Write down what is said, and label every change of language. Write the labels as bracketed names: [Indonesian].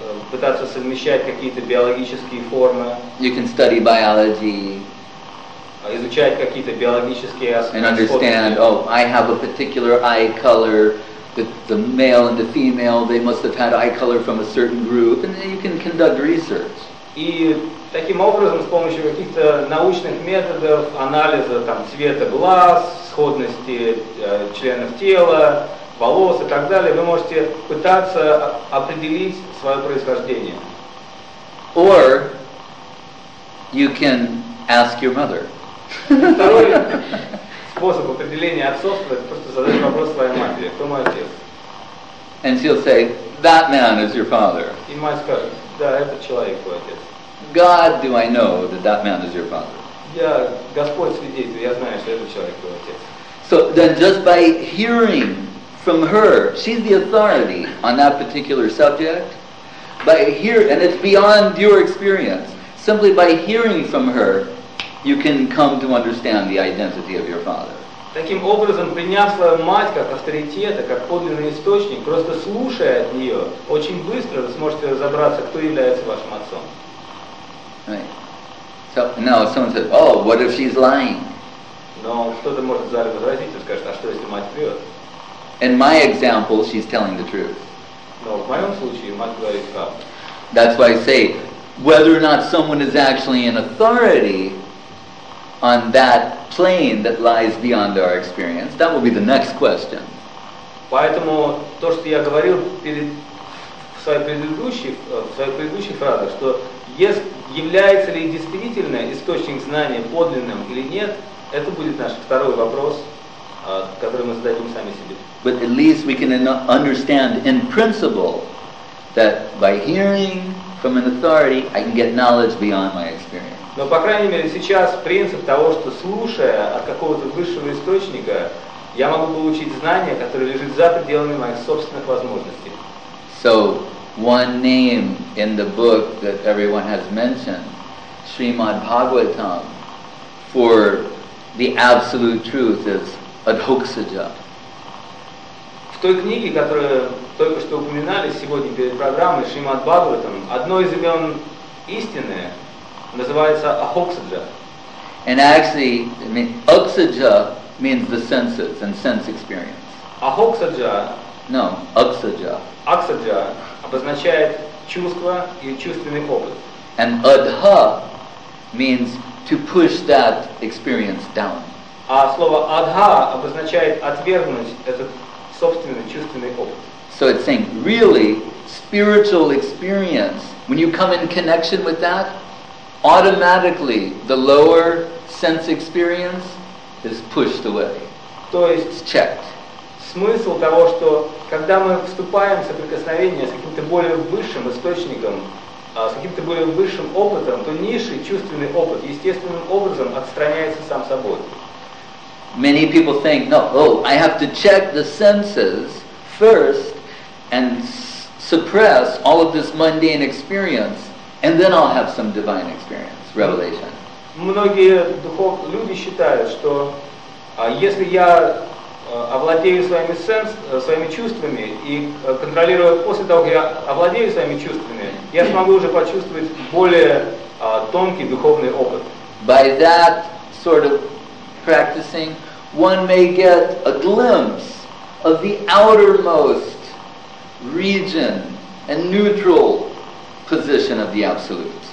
[Russian] Пытаться совмещать какие-то биологические формы. [English] You can study biology. [Russian] Изучать какие-то биологические аспекты. [English] And understand, oh, I have a particular eye color, the male and the female, they must have had eye color from a certain group, and then you can conduct research. [Russian] И таким образом, с помощью каких-то научных методов, анализа там, цвета глаз, сходности членов тела, волос и так далее, вы можете пытаться определить свое происхождение. [English] Or you can ask your mother. [Russian] Второй способ определения отцовства — это просто задать вопрос своей матери: кто мой отец? [English] And she'll say, that man is your father. [Russian] И мать скажет: да, этот человек твой отец. [English] God, do I know that that man is your father? [Russian] Я Господь свидетель, я знаю, что этот человек твой отец. [English] So then, just by hearing from her, she's the authority on that particular subject. By hear, and it's beyond your experience. Simply by hearing from her, you can come to understand the identity of your father. [Russian] Таким образом, приняв свою мать как авторитета, как подлинный источник, просто слушая от нее, очень быстро вы сможете разобраться, кто является вашим отцом. [English] Right. So now someone says, "Oh, what if she's lying?" [Russian] Но кто-то может сзади возразить и скажет: а что если мать врет? [English] In my example, she's telling the truth. [Russian] Но в моем случае мать говорит правду. [English] That's why I say, whether or not someone is actually an authority on that plane that lies beyond our experience, that will be the next question. [Russian] Поэтому то, что я говорил перед в своей предыдущей фразе, что является ли действительно источник знания подлинным или нет, это будет наш второй вопрос, который мы зададим сами себе. [English] But at least we can understand in principle that by hearing from an authority, I can get knowledge beyond my experience. [Russian] Но по крайней мере сейчас принцип того, что слушая от какого-то высшего источника, я могу получить знание, которое лежит за пределами моих собственных возможностей. [English] So one name in the book that everyone has mentioned, Srimad Bhagavatam, for the absolute truth is Adhoksaja. [Russian] В той книге, которую только что упоминали сегодня перед программой, Шримад Бхагаватам, одно из имен истины называется Ахоксаджа. [English] And actually, Ахоксаджа means the senses and sense experience. [Russian] Ахоксаджа. [English] No, Ахоксаджа. [Russian] Ахоксаджа обозначает чувство и чувственный опыт. [English] And Адха means to push that experience down. [Russian] А слово Адха обозначает отвергнуть этот собственный чувственный опыт. [English] So it's saying, really, spiritual experience, when you come in connection with that, automatically the lower sense experience is pushed away. [Russian] То есть, [English] it's checked. [Russian] Смысл того, что когда мы вступаем в соприкосновение с каким-то более высшим источником, с каким-то более высшим опытом, то низший чувственный опыт естественным образом отстраняется сам собой. [English] Many people think, no, oh, I have to check the senses first and suppress all of this mundane experience, and then I'll have some divine experience, revelation. [Russian] Многие люди считают, что если я овладею своими чувствами и контролирую, после того, как я овладею своими чувствами, я смогу уже почувствовать более тонкий духовный опыт. [English] By that sort of practicing, one may get a glimpse of the outermost region and neutral position of the Absolute.